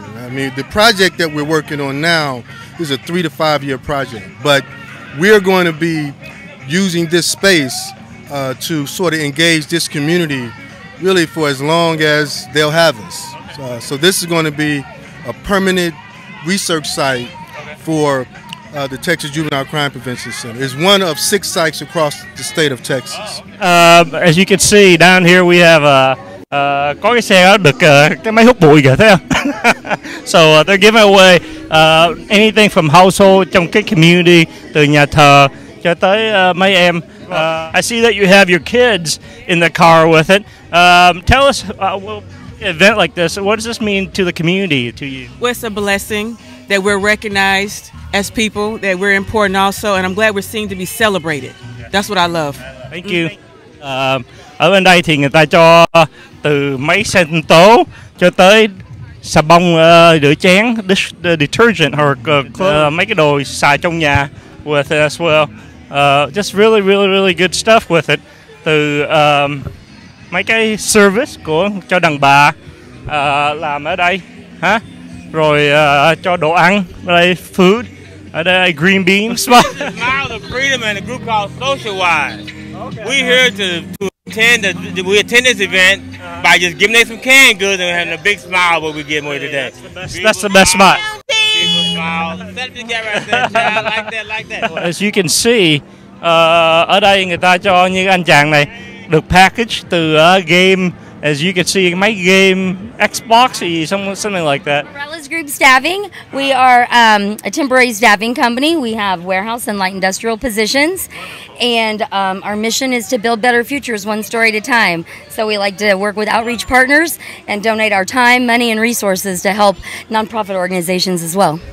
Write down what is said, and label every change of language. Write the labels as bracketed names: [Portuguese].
[English] I mean, the project that we're working on now is a 3 to 5 year project, but we're going to be using this space to sort of engage this community really for as long as they'll have us. Okay. So this is going to be a permanent research site for the Texas Juvenile Crime Prevention Center. It's one of 6 sites across the state of Texas. As you can see down here, we have [Vietnamese] có cái xe được cái máy hút bụi kìa, thấy không? [English] So they're giving away anything from household [Vietnamese] trong cái community, từ nhà thờ cho tới mấy em. [English] I see that you have your kids in the car with it. Tell us, event like this, what does this mean to the community, to you? Well, it's a blessing that we're recognized as people, that we're important also, and I'm glad we're seen to be celebrated. Yeah. That's what I love. Thank you. [Vietnamese] Ở bên đây thì người ta cho từ máy sinh tố cho tới xà bông rửa chén, [English] dish, detergent, or [Vietnamese] mấy cái đồ xài trong nhà [English] with it as well. Just really, really, really good stuff with it. [Vietnamese] Từ mấy cái service của cho đàn bà làm ở đây, hả? Rồi cho đồ ăn, đây food, ở đây green beans. [English] This is Miles of Freedom and a group called Socialize. Okay. We're here to attend the, we attend this event by just giving them some canned goods and having a big smile when we give away today. That's the best spot. As you can see, [Vietnamese] ở đây người ta cho như anh chàng này được package từ game. [English] As you can see, my game Xbox, something like that. Morella's Group Staffing. We are a temporary staffing company. We have warehouse and light industrial positions. And our mission is to build better futures one story at a time. So we like to work with outreach partners and donate our time, money, and resources to help nonprofit organizations as well.